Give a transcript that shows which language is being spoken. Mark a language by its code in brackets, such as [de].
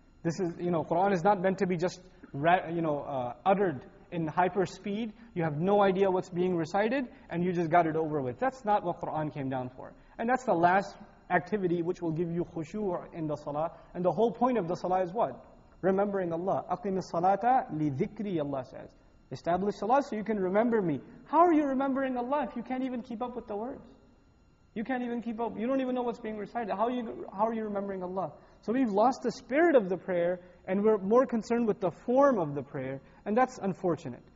[en] This is, you know, Quran is not meant to be just, uttered in hyper speed. You have no idea what's being recited, and you just got it over with. That's not what Quran came down for. And that's the last activity which will give you khushu in the salah. And the whole point of the salah is what? Remembering Allah. [ar] أَقِمِ الصَّلَاةَ لِذِكْرِي, [en] Allah says. Establish salah so you can remember me. How are you remembering Allah if you can't even keep up with the words? You can't even keep up. You don't even know what's being recited. How are you remembering Allah? So we've lost the spirit of the prayer, and we're more concerned with the form of the prayer, and that's unfortunate.